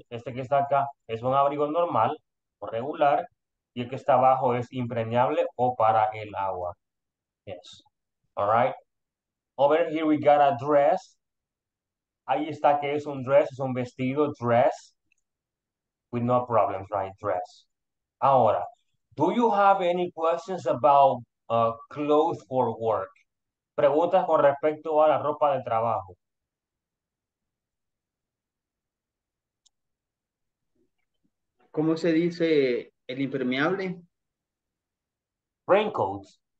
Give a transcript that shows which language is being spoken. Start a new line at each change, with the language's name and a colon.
Spanish: Este que está acá es un abrigo normal o regular. Y el que está abajo es impermeable o para el agua.
English: Yes. All right. Over here we got a dress.
Spanish: Ahí está que es un dress, es un vestido, dress.
English: With no problems, right? Dress. Ahora, do you have any questions about clothes for work?
Spanish: Preguntas con respecto a la ropa de trabajo. ¿Cómo se dice el impermeable?
English: Raincoats.